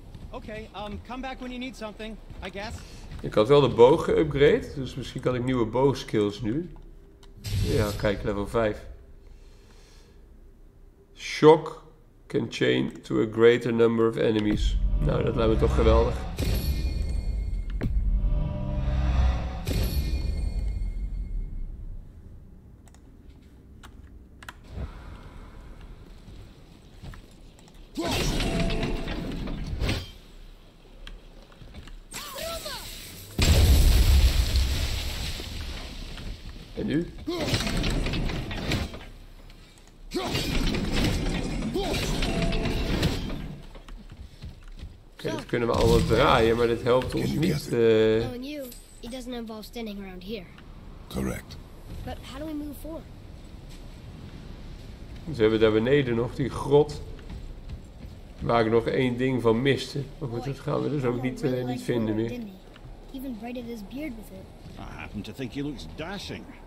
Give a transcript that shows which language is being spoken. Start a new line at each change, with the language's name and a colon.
English: Okay, come back when you need something, I guess.
Dutch: Ik had wel de boog geüpgrade, dus misschien kan ik nieuwe boogskills nu. Ja, kijk, level 5.
English: Shock can chain to a greater number of enemies.
Dutch: Nou, dat lijkt me toch geweldig. Nu. Okay, dat kunnen we allemaal draaien, maar dat helpt ons niet.
English: Knowing you, it doesn't involve standing around here. Correct. But how do we move forward?
Dutch: Ze hebben daar beneden nog die grot waar ik nog één ding van miste. Maar goed, dat gaan we dus ook niet vinden meer.
English: Even braided his beard with it. I happen to think he looks dashing.